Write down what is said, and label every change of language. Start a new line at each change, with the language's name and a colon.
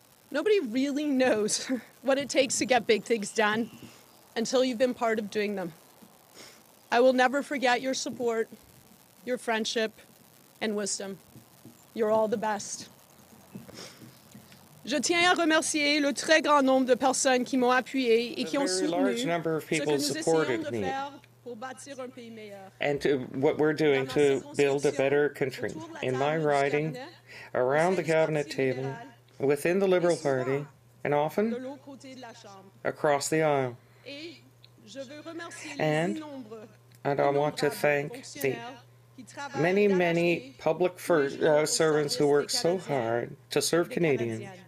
English: Nobody really knows what it takes to get big things done until you've been part of doing them. I will never forget your support, your friendship, and wisdom. You're all the best.
French: Je tiens à remercier le très grand nombre de personnes qui m'ont appuyé et qui ont soutenu ce que nous essayons de me. Faire pour bâtir un pays meilleur.
English: And to what we're doing to build a better country. In my riding, around the cabinet table, within the Liberal Party, and often across the aisle.
French: Et je veux remercier and
English: I want to thank the many, many public servants who work so hard to serve Canadians.